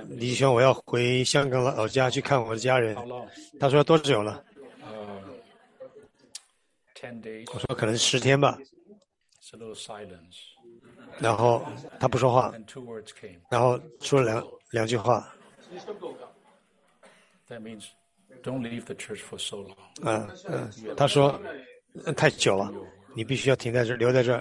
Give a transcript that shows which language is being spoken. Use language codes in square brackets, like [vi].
[zh] 李兄我要回香港老家去看我的家人 [en] How long? [zh] 他说多久了 [en] 10 days. [zh] 我说可能十天吧 [en] It's a little silence. [zh] 然后他不说话，然后说了两句话。 [en] That means don't leave the church for so long. [zh] 他说太久了，你必须要停在这儿，留在这儿。